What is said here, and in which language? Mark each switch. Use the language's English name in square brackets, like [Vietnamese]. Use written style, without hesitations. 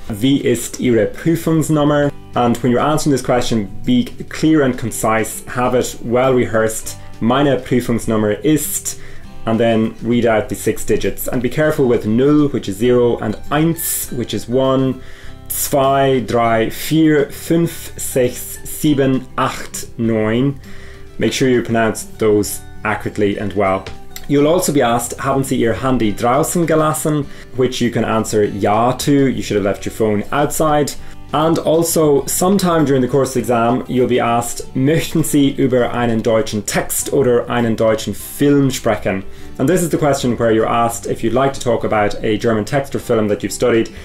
[German] Wie ist Ihre Prüfungsnummer? [English] And when you're answering this question, be clear and concise, have it well rehearsed, [German] meine Prüfungsnummer ist, [English] and then read out the six digits. And be careful with null, which is zero, and eins, which is one, [German] zwei, drei, vier, fünf, sechs, sieben, acht, neun. [English] Make sure you pronounce those accurately and well. You'll also be asked, [German] haben Sie Ihr Handy draußen gelassen? [English] Which you can answer ja to, you should have left your phone outside. And also, sometime during the course of the exam, you'll be asked, [German] möchten Sie über einen deutschen Text oder einen deutschen Film sprechen? [English] And this is the question where you're asked if you'd like to talk about a German text or film that you've studied.